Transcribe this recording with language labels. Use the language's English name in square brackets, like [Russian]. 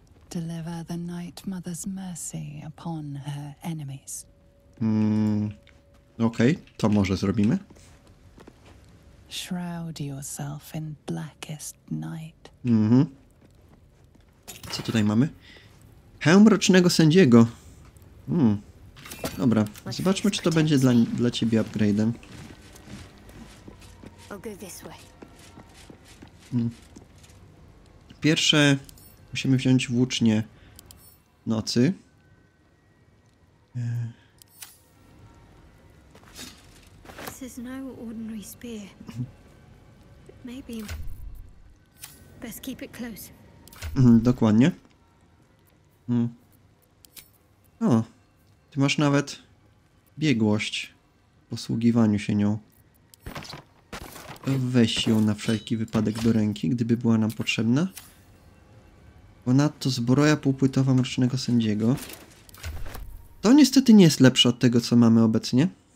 [English] Deliver the night mother's mercy upon her enemies. [Polish] Okej, to może zrobimy. [English] Shroud yourself in blackest night. [Polish] Co tutaj mamy? Hełm mrocznego sędziego. Dobra, zobaczmy, czy to będzie dla ciebie upgrade'em. Pierwsze musimy wziąć włócznie nocy. [English] This is no ordinary spear. But maybe best keep it close. [Polish] Dokładnie. Ty masz nawet biegłość w posługiwaniu się nią. Weź ją na wszelki wypadek do ręki, gdyby była nam potrzebna. Ponadto zbroja półpłytowa mrocznego sędziego. To niestety nie jest lepsze od tego, co mamy obecnie.